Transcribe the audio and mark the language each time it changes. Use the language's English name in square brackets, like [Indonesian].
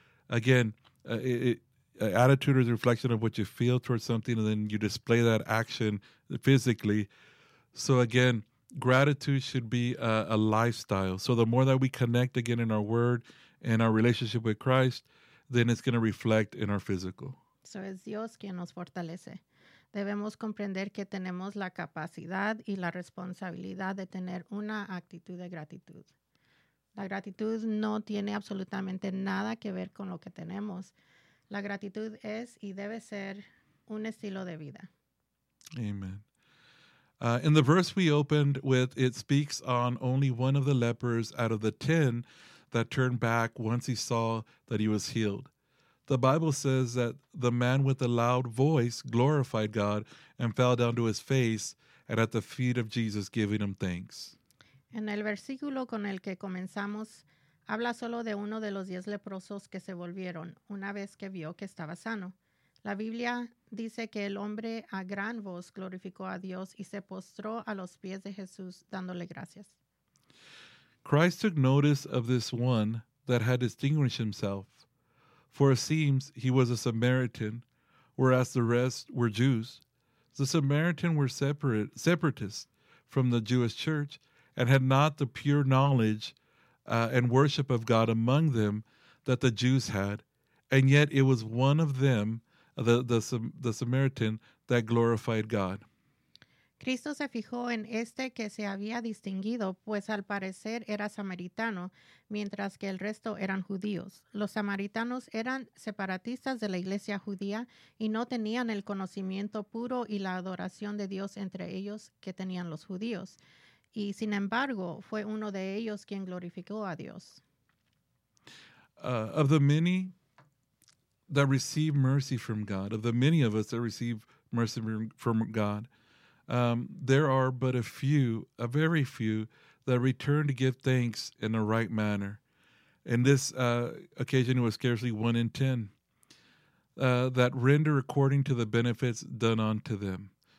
[English] Again, attitude is a reflection of what you feel towards something, and then you display that action physically. So again, gratitude should be a lifestyle. So the more that we connect again in our word and our relationship with Christ, then it's going to reflect in our physical. [Spanish] So es Dios quien nos fortalece. Debemos comprender que tenemos la capacidad y la responsabilidad de tener una actitud de gratitud. La gratitud no tiene absolutamente nada que ver con lo que tenemos. La gratitud es y debe ser un estilo de vida. [English] Amen. In the verse we opened with, it speaks on only one of the lepers out of the 10 that turned back once he saw that he was healed. The Bible says that the man with a loud voice glorified God and fell down to his face and at the feet of Jesus giving him thanks. [Spanish] En el versículo con el que comenzamos, habla solo de uno de los 10 leprosos que se volvieron una vez que vio que estaba sano. La Biblia dice que el hombre a gran voz glorificó a Dios y se postró a los pies de Jesús dándole gracias. [English] Christ took notice of this one that had distinguished himself, for it seems he was a Samaritan, whereas the rest were Jews. The Samaritan were separatists from the Jewish church and had not the pure knowledge and worship of God among them that the Jews had, and yet it was one of them, the Samaritan, that glorified God. [Spanish] Cristo se fijó en este que se había distinguido, pues al parecer era samaritano, mientras que el resto eran judíos. Los samaritanos eran separatistas de la iglesia judía y no tenían el conocimiento puro y la adoración de Dios entre ellos que tenían los judíos. Y sin embargo, fue uno de ellos quien glorificó a Dios. [English] Of the many that receive mercy from God, of the many of us that receive mercy from God, there are but a few, a very few, that return to give thanks in the right manner. In this occasion, it was scarcely one in ten that render according to the benefits done unto them.